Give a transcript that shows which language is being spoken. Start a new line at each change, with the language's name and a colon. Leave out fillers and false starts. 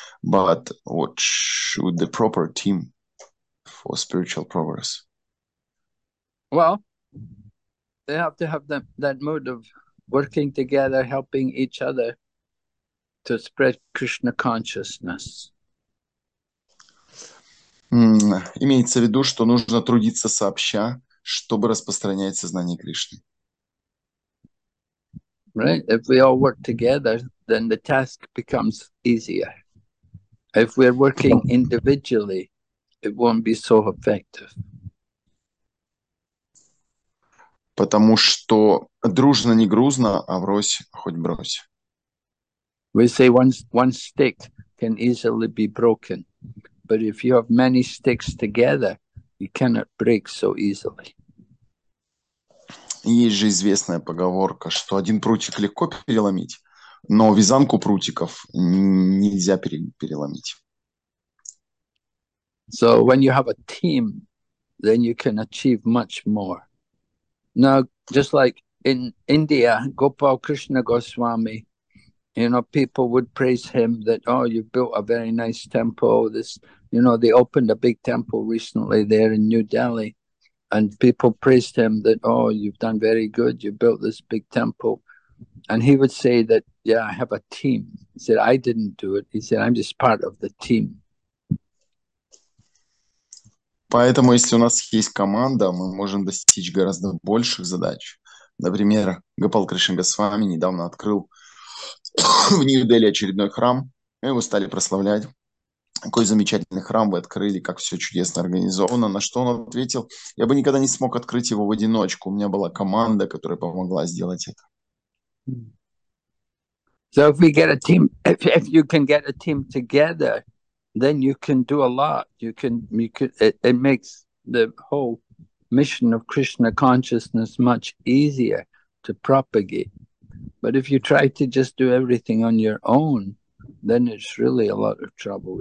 English: But what should the proper team for spiritual progress? Well, they have to have that mood of working together, helping each other to spread Krishna consciousness.
Russian: Имеется в виду, что нужно трудиться сообща, чтобы распространять сознание Кришны.
English: Right? If we all work together, then the task becomes easier. If we are working individually, it won't be so effective.
Russian: Потому что дружно не грузно, а врозь хоть брось.
English: We say one stick can easily be broken. But if you have many sticks together, you cannot break so easily.
Russian: Есть же известная поговорка, что один прутик легко переломить, но вязанку прутиков нельзя переломить.
English: So when you have a team, then you can achieve much more. Now, just like in India, Gopal Krishna Goswami, you know, people would praise him that, oh, you've built a very nice temple. This, you know, they opened a big temple recently there in New Delhi. And people praised him that, oh, you've done very good. You built this big temple. And he would say that, yeah, I have a team. He said, I didn't do it. He said, I'm just part of the team.
Russian: Поэтому, если у нас есть команда, мы можем достичь гораздо больших задач. Например, Гопал Кришна Госвами недавно открыл в Нью-Дели очередной храм. Мы его стали прославлять. Какой замечательный храм вы открыли, как все чудесно организовано. На что он ответил, я бы никогда не смог открыть его в одиночку. У меня была команда, которая помогла сделать это.
English: So if we get a team, if you can get a team together, then you can do a lot. It makes the whole mission of Krishna consciousness much easier to propagate. But if you try to just do everything on your own, then it's really a lot of trouble.